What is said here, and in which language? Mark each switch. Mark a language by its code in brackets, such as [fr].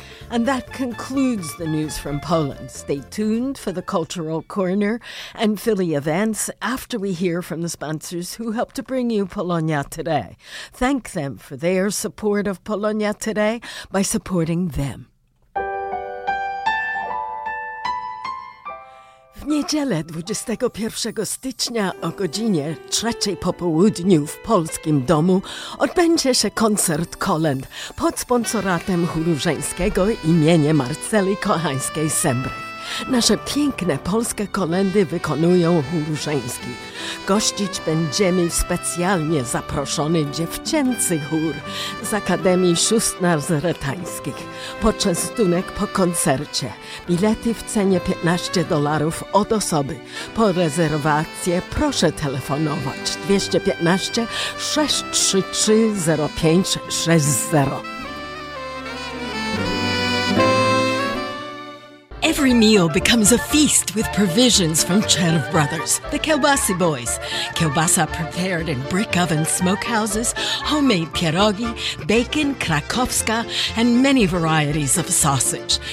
[en] And that concludes the news from Poland. Stay tuned for the Cultural Corner and Philly events after we hear from the sponsors who help to bring you Polonia Today. Thank them for their support of Polonia Today by supporting them. [pl] W niedzielę 21 stycznia o godzinie 3 po południu w Polskim Domu odbędzie się koncert kolęd pod sponsoratem chóru żeńskiego imienia Marceli Kochańskiej-Sembry. Nasze piękne polskie kolędy wykonują chór żeński. Gościć będziemy specjalnie zaproszony dziewczęcy chór z Akademii Szóstnar Zretańskich. Poczęstunek po koncercie. Bilety w cenie $15 od osoby. Po rezerwację proszę telefonować 215-633-0560. [en] Every meal becomes a feast with provisions from Cherov Brothers, the Kielbasa Boys. Kielbasa prepared in brick oven smokehouses, homemade pierogi, bacon, krakowska, and many varieties of sausage.